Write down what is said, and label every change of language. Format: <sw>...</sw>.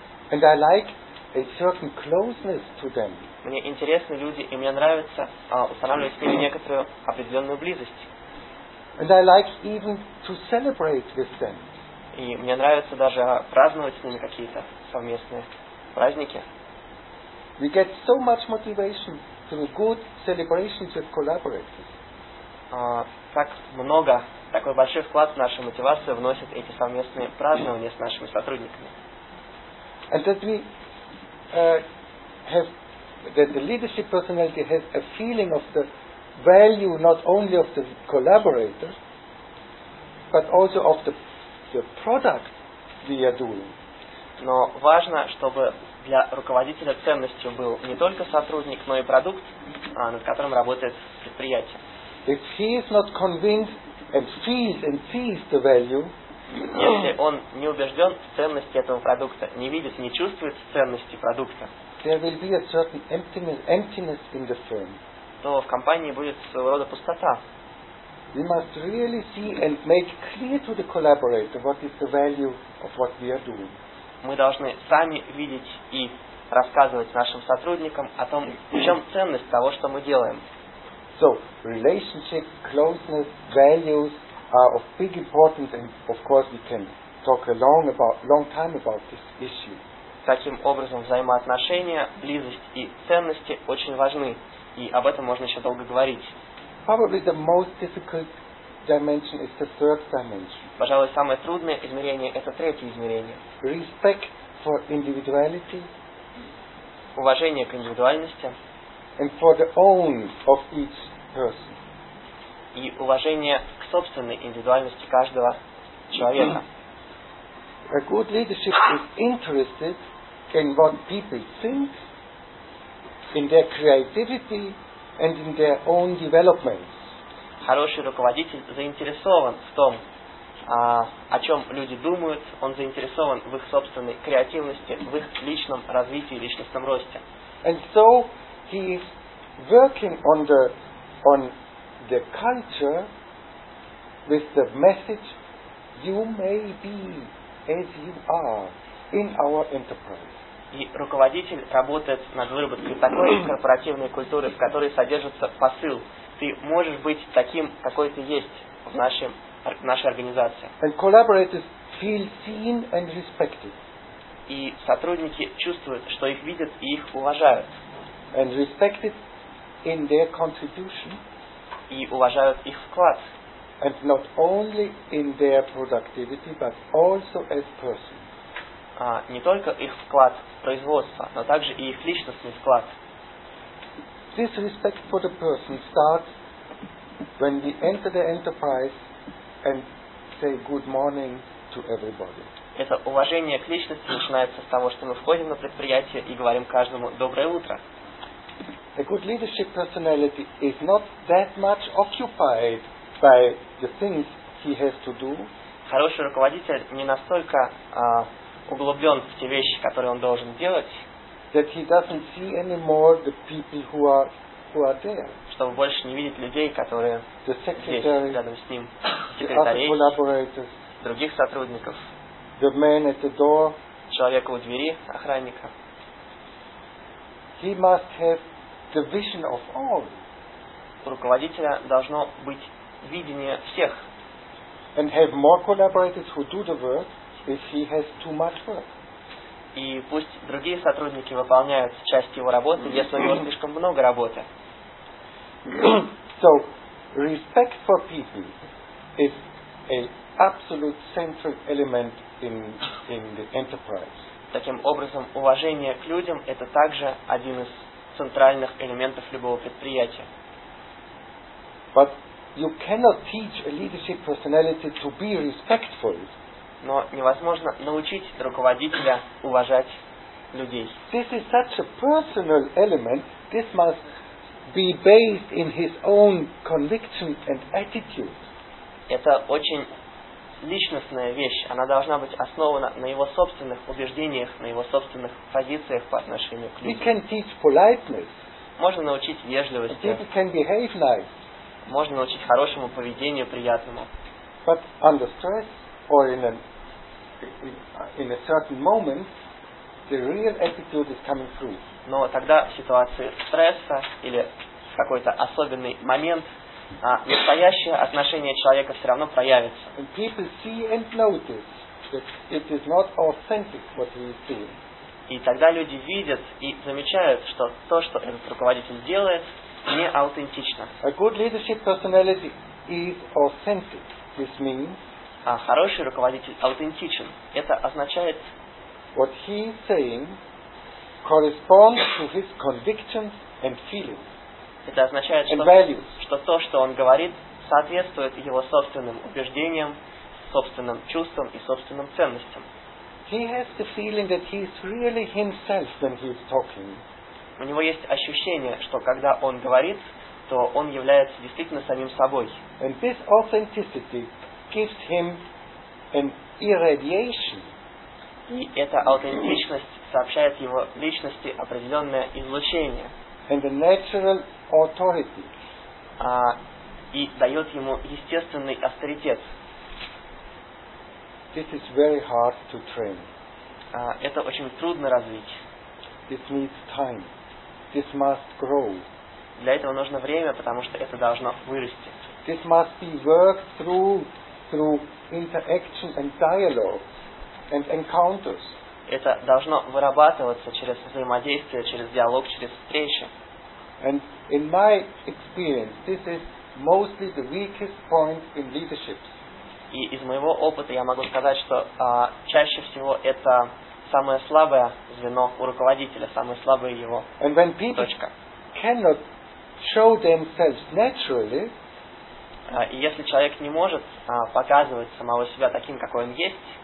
<en>And I like a certain closeness to them.</en> <ru>Мне интересны люди, и мне нравится устанавливать с ними некоторую определенную близость.</ru> <en>And I like even to celebrate with them.</en> <ru>И мне нравится даже праздновать с ними какие-то совместные праздники.</ru> <en>We get so much motivation through good celebrations with collaborators.</en> <ru>Так много, такой большой вклад в нашу мотивацию вносят эти совместные празднования с нашими сотрудниками.</ru> <en>And that we have that the leadership personality has a feeling of the value not only of the collaborator, but also of the product we are doing.</en> <ru>Но важно, чтобы для руководителя ценностью был не только сотрудник, но и продукт, над которым работает предприятие.</ru> <en>If he is not convinced and feels and sees the value,</en> <ru>если он не убежден в ценности этого продукта, не видит, не чувствует ценности продукта,</ru> <en>there will be a certain emptiness in the firm.</en> <ru>То в компании будет своего рода пустота.</ru> <en>We must really see and make clear to the collaborator what is the value of what we are doing.</en> <ru>Мы должны сами видеть и рассказывать нашим сотрудникам о том, в чем ценность того, что мы делаем.</ru> <en>So, relationship, closeness, values are of big importance, and of course we can talk a long time about this issue.</en> <ru>Таким образом, взаимоотношения, близость и ценности очень важны, и об этом можно еще долго говорить.</ru> <en>Probably the most difficult dimension is the third dimension.</en> <ru>Пожалуй, самое трудное измерение – это третье измерение.</ru> <en>Respect for individuality.</en> <ru>Уважение к индивидуальности.</ru> <en>And for the own of each person.</en> <ru>И уважение к собственной индивидуальности каждого человека.</ru> <en>A good leadership is interested in what people think, in their creativity, and in their own development.</en> <ru>Хороший руководитель заинтересован в том, о чем люди думают, он заинтересован в их собственной креативности, в их личном развитии, личностном росте.</ru> <en>And so he is working on the culture with the message, you may be as you are in our enterprise.</en> <ru>И руководитель работает над выработкой такой корпоративной культуры, в которой содержится посыл. Ты можешь быть таким, какой ты есть в нашей организации.</ru> <en>And collaborators feel seen and respected.</en> <ru>И сотрудники чувствуют, что их видят и их уважают.</ru> <en>And respected in their contribution.</en> <ru>И уважают их вклад.</ru> <en>And not only in their productivity, but also as persons.</en> <ru>Не только их вклад в производство, но также и их личностный вклад.</ru> <en>This respect for the person starts when we enter the enterprise and say good morning to everybody.</en> <ru>Это уважение к личности начинается с того, что мы входим на предприятие и говорим каждому доброе утро.</ru> <en>A good leadership personality is not that much occupied by the things he has to do.</en> <ru>Хороший руководитель не настолько углублен в те вещи, которые он должен делать,</ru> <en>that he doesn't see anymore the people who are there.</en> <ru>Чтобы больше не видеть людей, которые здесь, рядом с ним, секретарей, других сотрудников,</ru> <en>the man at the door,</en> <ru>человека у двери, охранника.</ru> <en>He must have the vision of all.</en> <ru>У руководителя должно быть видение всех.</ru> <en>And have more collaborators who do the work. If he has too much work.</en> <ru>И пусть другие сотрудники выполняют часть его работы, если у него слишком много работы.</ru> <en>So, respect for people is an absolute central element in the enterprise.</en> <ru>Таким образом, уважение к людям – это также один из центральных элементов любого предприятия.</ru> <en>But you cannot teach a leadership personality to be respectful.</en> <ru>Но невозможно научить руководителя уважать людей.</ru> <en>This is such a personal element. This must be based in his own conviction and attitude.</en> <ru>Это очень личностная вещь. Она должна быть основана на его собственных убеждениях, на его собственных позициях по отношению к людям.</ru> <en>We can teach politeness.</en> <ru>Можно научить вежливости.</ru> <en>People can behave nice.</en> <ru>Можно научить хорошему поведению, приятному.</ru> <en>But under stress or in a certain moment, the real attitude is coming through.</en> <ru>Но тогда в ситуации стресса или в какой-то особенный момент настоящее отношение человека все равно проявится.</ru> <en>And people see and notice that it is not authentic what he is doing.</en> <ru>И тогда люди видят и замечают, что то, что этот руководитель делает, не аутентично.</ru> <en>A good leadership personality is authentic. This means.</en> <ru>А хороший руководитель аутентичен. Это означает.</ru> <en>What he is saying corresponds to his convictions and feelings.</en> <ru>Это означает, что,</ru> <en>and values.</en> <ru>Что то, что он говорит, соответствует его собственным убеждениям, собственным чувствам и собственным ценностям.</ru> <en>He has the feeling that he is really himself when he is talking.</en> <ru>У него есть ощущение, что когда он говорит, то он является действительно самим собой.</ru> <en>And this authenticity gives him an irradiation.</en> <ru>И эта аутентичность сообщает его личности определенное излучение.</ru> <en>And a natural authority.</en> <ru>И дает ему естественный авторитет.</ru> <en>This is very hard to train.</en> <ru>Это очень трудно развить.</ru> <en>This needs time. This must grow.</en> <ru>Для этого нужно время, потому что это должно вырасти.</ru> <en>This must be worked through interaction and dialogue and encounters.</en> <ru>Это должно вырабатываться через взаимодействие, через диалог, через встречи.</ru> <en>And in my experience, this is mostly the weakest point in leadership.</en> <ru>И из моего опыта я могу сказать, что чаще всего это самое слабое звено у руководителя, самое слабое его точка.</ru> <en>And when people cannot show themselves naturally,</en> <ru>и если человек не может показывать самого себя таким, какой он есть,</ru>